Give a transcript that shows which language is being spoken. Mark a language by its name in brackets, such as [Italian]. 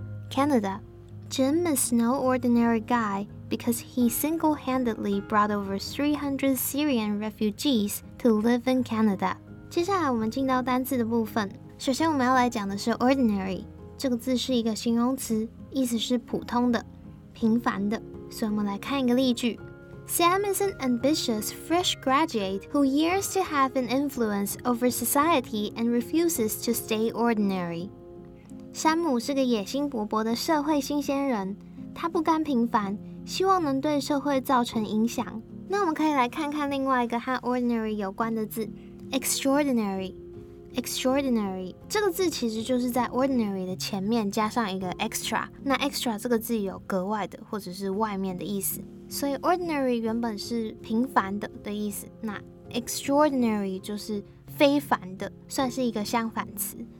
[English] Canada。 Jim is no ordinary guy because he single-handedly brought over 300 Syrian refugeesTo live in Canada。 [Chinese] 接下来我们进到单字的部分，首先我们要来讲的是 ordinary， 这个字是一个形容词，意思是普通的、平凡的。 [English] 所以我们来看一个例句， Sam is an ambitious fresh graduate who yearns to have an influence over society and refuses to stay ordinary。 [Chinese] 山姆是个野心勃勃的社会新鲜人，他不甘平凡，希望能对社会造成影响。那我们可以来看看另外一个和 ordinary 有关的字， extraordinary。 extraordinary 这个字其实就是在 ordinary 的前面加上一个 extra， 那 extra 这个字有格外的或者是外面的意思，所以 ordinary 原本是平凡的的意思，那 extraordinary 就是非凡的，算是一个相反词。